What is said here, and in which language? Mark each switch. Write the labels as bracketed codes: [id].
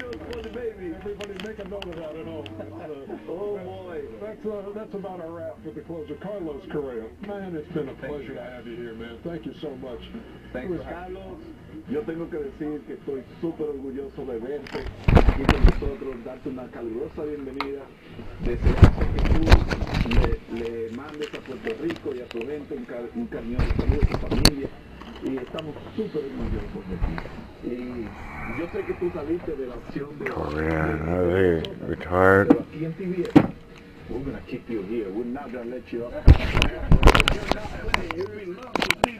[en] Everybody make a note of that at home. Oh boy. That's about a wrap for the close of Carlos Correa. Man, it's been a pleasure to have you here, man. Thank you so much. Thanks, Carlos. Carlos. [es] Yo tengo que decir que estoy súper orgulloso de verte aquí con nosotros, darte una calurosa bienvenida, desearte que tú le mandes a Puerto Rico y a tu gente un cariño de salud a tu familia, y estamos súper orgullosos de ti. Y yo sé que tú saliste de la opción de... [en] Oh, man, are they retired? [es] Pero aquí en TV, [en] we're going to keep you here, we're not going to let you up. You're not, you're in love.